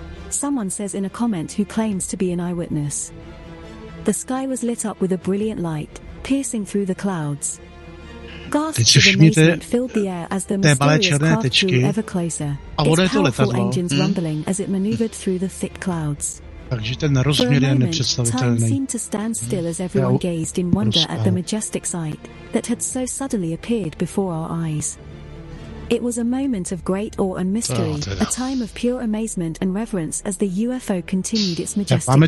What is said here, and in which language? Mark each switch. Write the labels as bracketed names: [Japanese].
[English] Someone says in a comment who claims to be an eyewitness. The sky was lit up with a brilliant light, piercing through the clouds. Gasps of amazement filled the air as the mysterious craft drew ever closer, its powerful engines rumbling as it maneuvered through the thick clouds. [Czech] Takže ten rozměr je nepředstavitelný. [English] Time seemed to stand still as everyone gazed in wonder at the majestic sight that had so suddenly appeared before our eyes. It was a moment of great awe and mystery, a time of pure amazement and reverence as the UFO continued its majestic journey.